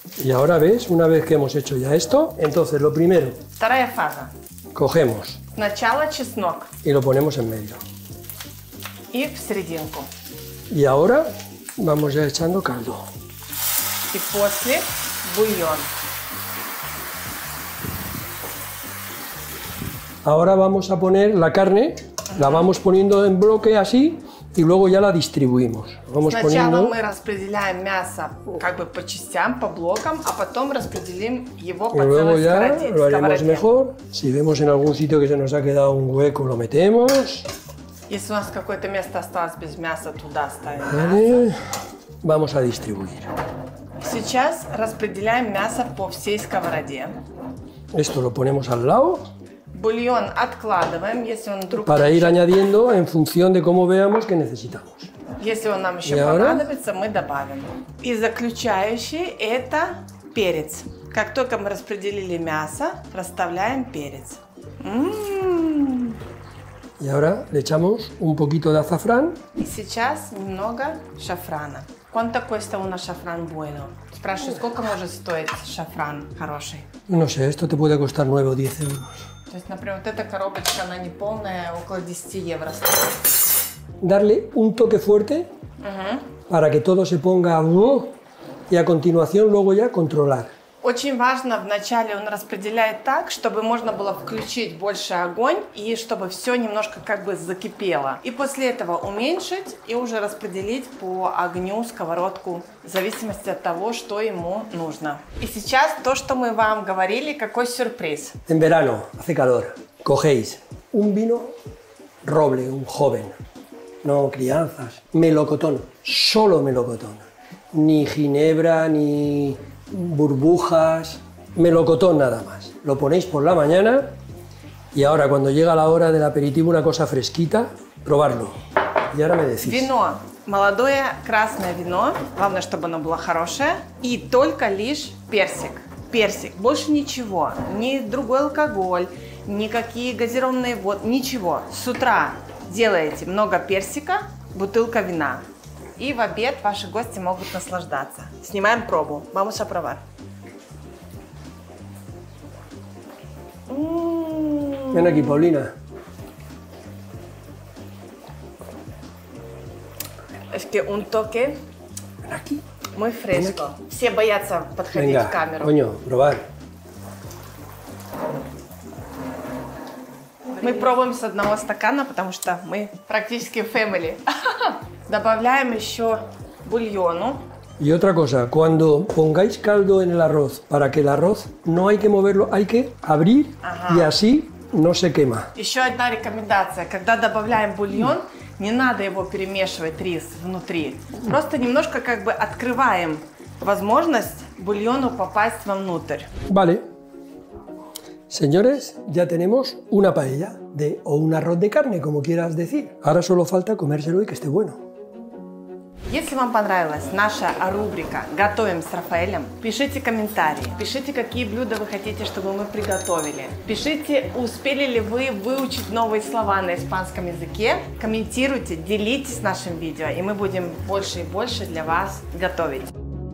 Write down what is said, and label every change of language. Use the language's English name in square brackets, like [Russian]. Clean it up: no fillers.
[Spanish] Y ahora ves, una vez que hemos hecho ya esto, entonces lo primero. [Russian] Вторая фаза. [Spanish] Cogemos. [Russian] Сначала чеснок. [Spanish] Y lo ponemos en medio. [Russian] И в серединку. [Spanish] Y ahora vamos ya echando caldo. [Russian] И после бульон. [Spanish] Ahora vamos a poner la carne, la vamos poniendo en bloque así y luego ya la distribuimos. Vamos poniendo. [Russian] Мы распределяем мясо как бы по частям, по блокам, а потом распределим его по целой сковороде. [Spanish] Ya lo haremos mejor. Si vemos en algún sitio que se nos ha quedado un hueco, lo metemos. [Russian] Если у нас какое-то место осталось без мяса, туда ставим. [Spanish] Vale. Vamos a distribuir. [Russian] Сейчас распределяем мясо по всей сковороде. [Spanish] Esto lo ponemos al lado. [Russian] Бульон откладываем, если он вдруг... [Spanish] Para ir añadiendo en función de cómo veamos que necesitamos. [Russian] Если он нам еще y понадобится, ahora... мы добавим. И заключающий – это перец. Как только мы распределили мясо, расставляем перец. [Spanish] Y ahora le echamos un poquito de azafrán. [Russian] Y сейчас немного шафрана. [Spanish] ¿Cuánto cuesta un шафран bueno? [Russian] Спрашиваю, сколько может стоить шафран хороший? [Spanish] No sé, esto te puede costar 9 o 10 euros. [Russian] То есть, например, вот эта коробочка, она не полная, около 10 евро стоит. [Spanish] Darle un toque fuerte para que todo se ponga y a continuación luego ya controlar. [Russian] Очень важно вначале он распределяет так, чтобы можно было включить больше огонь и чтобы все немножко как бы закипело. И после этого уменьшить и уже распределить по огню сковородку в зависимости от того, что ему нужно. И сейчас то, что мы вам говорили, какой сюрприз. [Spanish] En verano, hace calor. Cogéis un vino roble, un joven. No crianzas. Melocotón. Solo melocotón. Ni ginebra, ni burbujas, melocotón nada más. Lo ponéis por la mañana y ahora cuando llega la hora del aperitivo, una cosa fresquita, probarlo. Y ahora me decís. [Russian] Vino, молодое красное вино, главное, чтобы оно было хорошее, и только лишь персик. Персик, больше ничего, ни другой алкоголь, никакие газированные воды, ничего. С утра делаете много персика, бутылка вина. И в обед ваши гости могут наслаждаться. Снимаем пробу. [Spanish] Vamos a probar. Ven aquí, Paulina. Es que un toque muy fresco. [Russian] Все боятся подходить [Spanish] Venga, [Russian] в камеру. [Spanish] Coño, probar. [Russian] Мы пробуем с одного стакана, потому что мы практически family. Добавляем еще бульону. [Spanish] И otra cosa, cuando pongáis caldo en el arroz, para que el arroz no hay que moverlo, hay que abrir y así no se quema. [Russian] Еще одна рекомендация, когда добавляем бульон, не надо его перемешивать рис внутри. Просто немножко как бы открываем возможность бульону попасть вовнутрь. [Spanish] Vale. Señores, ya tenemos una paella de, o un arroz de carne, como quieras decir. Ahora solo falta comérselo y que esté bueno. [Russian] Если вам понравилась наша рубрика «Готовим с Рафаэлем», пишите комментарии, пишите, какие блюда вы хотите, чтобы мы приготовили. Пишите, успели ли вы выучить новые слова на испанском языке. Комментируйте, делитесь нашим видео, и мы будем больше и больше для вас готовить.